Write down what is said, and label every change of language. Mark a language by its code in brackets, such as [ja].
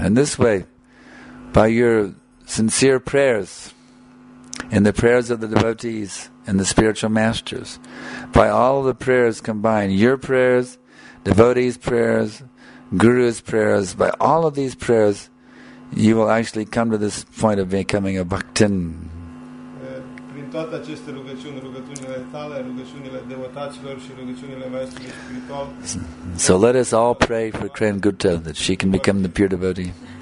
[en] And this way, by your sincere prayers and the prayers of the devotees and the spiritual masters, by all the prayers combined, your prayers, devotees' prayers, Guru's prayers, by all of these prayers, you will actually come to this point of becoming a bhaktin. [ro] Prin toate aceste rugăciuni, rugăciunile tale, rugăciunile devotaților și rugăciunile maestrului spiritual. [en] So let us all pray for Krenguta that she can become the pure devotee.